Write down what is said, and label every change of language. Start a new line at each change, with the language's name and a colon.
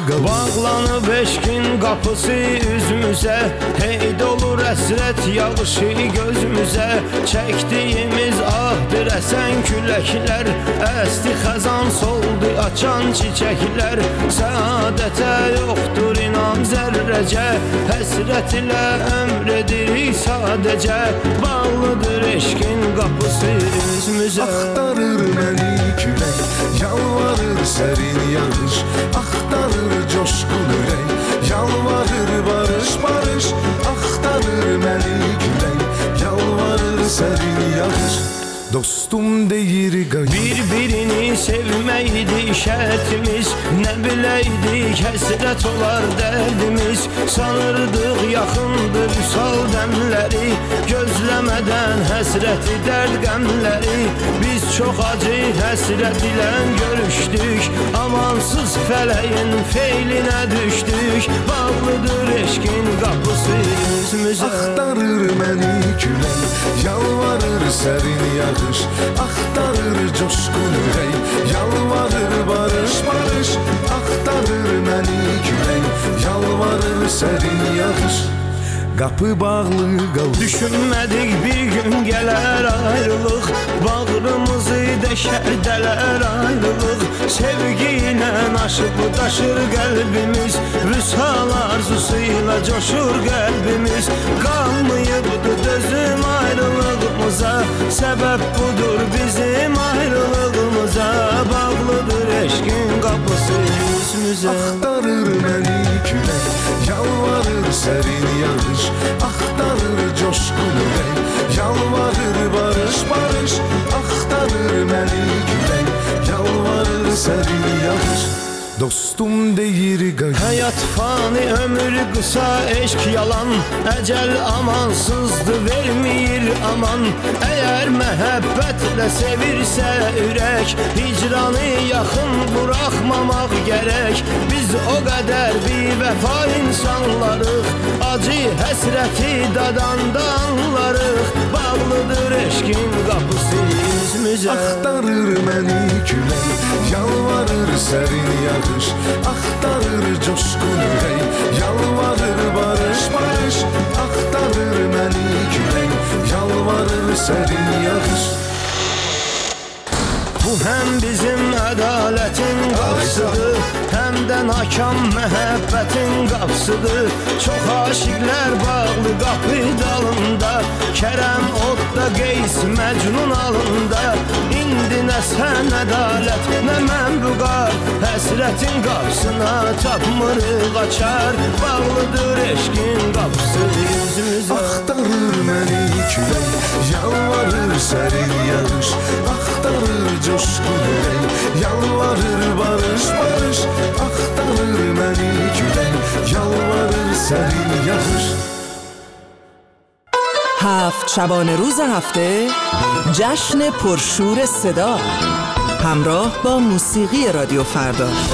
Azerbaijani: bağlanıp eşkin kapısı üzümüze. Hey dolur əsrət yağışı gözümüze. Çektiğimiz ahdır əsən küləklər. Əsti xəzan soldu açan çiçəklər. Səadətə yoxdur inam zərrəcə. Həsrət ilə əmredirik sadəcə. Bağlıdır eşkin kapısı üzümüze. Axtarır məni külək, yalvarır sərin yağış. Axtarır coşkun ürək, yalvarır barış barış. Axtarır məni külək, yalvarır sərin yağış. Dostum deyir qayın. Bir-birini sevməkdi şərtimiz. Nə biləydi həsrət olar dərdimiz. Sanırdıq yaxındır sal dəmləri. Gözləmədən həsrəti dərd qəmləri. Biz çox acı həsrət ilə görüşdük. Amansız fələyin feylinə düşdük. Bağlıdır eşkin qapısı üzümüzə. Axtarır məni külək, yalvarır sərin yağış. Axtarır coşkun ürək, yalvarır barış barış. Axtarır məni külək, yalvarır sərin yağış. Qapı bağlı qalır. Düşünmədik bir gün gələr ayrılıq. Bağrımızı dəşər dələr ayrılıq. Sevgi ilə aşıb daşır qəlbimiz. Vüsal arzusu ilə coşur qəlbimiz. Qalmayıbdır dözüm ayrılığımıza. Səbəb budur bizim ayrılığımıza. Bağlıdır eşkin qapısı yüzümüzə. Axtarır məni külək, yalvarır sərin yağış. Axtarır coşkun ürək, yalvarır barış barış. Axtarır məni külək, yalvarır sərin yağış. Dostum deyir qayın. Həyat fani, ömür qısa, eşk yalan. Əcəl amansızdır, vermir aman. Əgər məhəbbətlə sevirsə ürək, hicranı yaxın buraxmamaq gərək. Biz o qədər bir vəfa insanlarıq. Acı həsrəti dadanda anlarıq. Bağlıdır eşkin qapısı yüzümüzə. Axtarır məni külək, yalvarır sərin yağış. Axtarır coşkun ürək, yalvarır barış barış. Axtarır məni külək, yalvarır sərin yağış. Bu həm bizim ədalətin qapısıdır, həm də nakam məhəbbətin qapısıdır. Çox aşiqlər bağlı qapı dalında. Kərəm odda, qeys məcnun alında. İndi nə sən ədalət, nə mən buqar. Həsrətin qapısına çapmırıq açar. Bağlıdır eşkin qapısı yüzümüzə. Axtarır məni külək, yalvarır sərin yağış. Axtarır coşkun ürək, yalvarır barış barış. Axtarır məni külək, yalvarır sərin yağış.
Persian: هفت شبانه روز هفته، جشن پرشور صدا، همراه با موسیقی رادیو فردا.